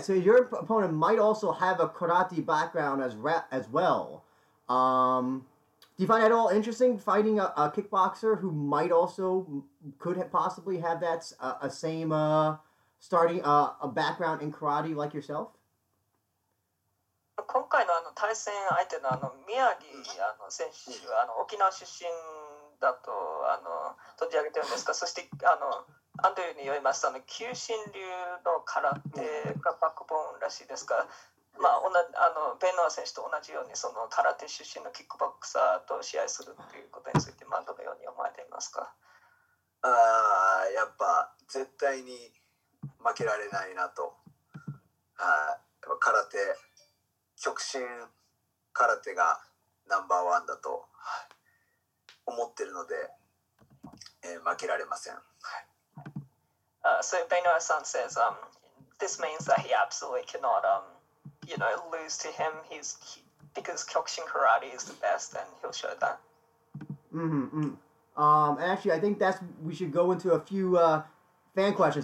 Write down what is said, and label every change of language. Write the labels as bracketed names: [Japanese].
[English] So your opponent might also have a karate background as well. Do you find it at all interesting fighting a kickboxer who might also could possibly have that a background in karate like yourself? [Japanese] 今回の対戦相手の宮城選手は沖縄出身だと取り上げてるんですが、そしてアンドリューによりますと、九神流の空手がバックボーンらしいですから、まあ、ベノア選手と同じようにその空手出身のキックボクサーと試合するということについて、まあ、どのように思われていますか？やっぱ絶対に負けられないなと。やっぱ空手、極真空手がナンバーワンだと思ってるので、負けられません。 [English] So Benoit San says, this means that he absolutely cannot, you know, lose to him. He's because Kyokushin Karate is the best, and he'll show that. Actually, I think that's we should go into a few fan questions.